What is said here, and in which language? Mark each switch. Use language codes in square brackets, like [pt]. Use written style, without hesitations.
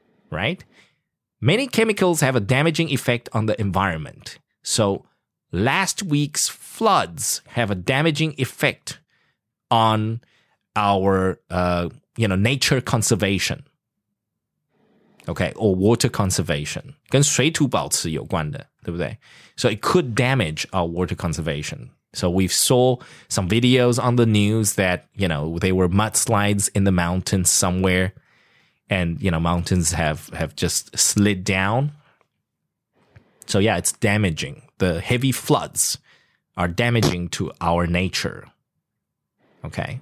[en] Right? Many chemicals have a damaging effect on the environment. So last week's floods have a damaging effect on our, you know, nature conservation. Okay, or water conservation. [zh] 跟水土保持有关的，对不对? [en] So it could damage our water conservation. So we saw some videos on the news that, you know, there were mudslides in the mountains somewhere. And, you know, mountains have just slid down. So, yeah, it's damaging. The heavy floods are damaging to our nature. Okay.